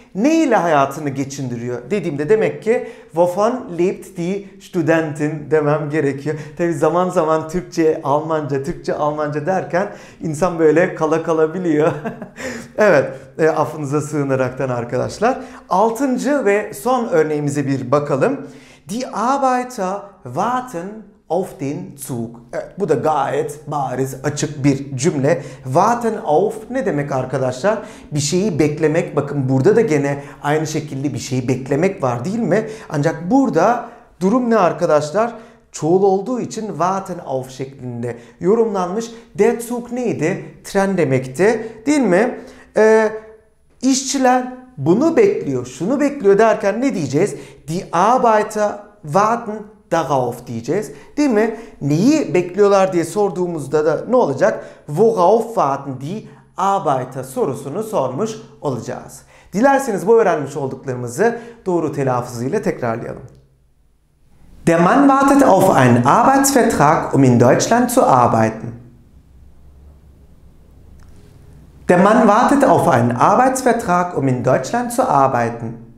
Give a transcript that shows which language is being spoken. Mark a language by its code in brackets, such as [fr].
[tr] ne ile hayatını geçindiriyor dediğimde demek ki [de] Wovon lebt die Studentin [tr] demem gerekiyor. Tabi zaman zaman Türkçe, Almanca, Türkçe, Almanca derken insan böyle kala kalabiliyor. Evet, affınıza sığınaraktan arkadaşlar. Altıncı ve son örneğimize bir bakalım. [de] Die Arbeiter warten auf den Zug. [tr] Evet, bu da gayet bariz, açık bir cümle. Warten auf ne demek arkadaşlar? Bir şeyi beklemek. Bakın burada da gene aynı şekilde bir şeyi beklemek var değil mi? Ancak burada durum ne arkadaşlar? Çoğul olduğu için warten auf şeklinde yorumlanmış. Der Zug neydi? Tren demekti değil mi? İşçiler bunu bekliyor, şunu bekliyor derken ne diyeceğiz? [de] Die Arbeiter warten darauf [tr] diyeceğiz. Değil mi? Neyi bekliyorlar diye sorduğumuzda da ne olacak? [de] Worauf warten die Arbeiter [tr] sorusunu sormuş olacağız. Dilerseniz bu öğrenmiş olduklarımızı doğru telaffuzuyla tekrarlayalım. [de] Der Mann wartet auf einen Arbeitsvertrag, in Deutschland zu arbeiten. Der Mann wartet auf einen Arbeitsvertrag, in Deutschland zu arbeiten.